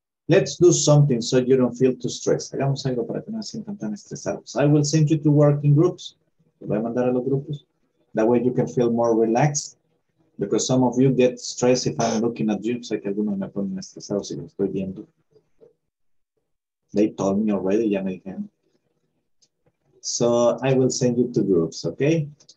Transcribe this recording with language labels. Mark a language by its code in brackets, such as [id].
[en] Let's do something so you don't feel too stressed. [es] Hagamos algo para que no se sientan tan estresados. [en] I will send you to work in groups. [es] Voy a mandar a los grupos. [en] That way you can feel more relaxed. Because some of you get stressed if I'm looking at you. [es] Sé que algunos me ponen estresados si lo estoy viendo. [en] They told me already, [es] ya me dijeron. [en] So I will send you to groups, okay?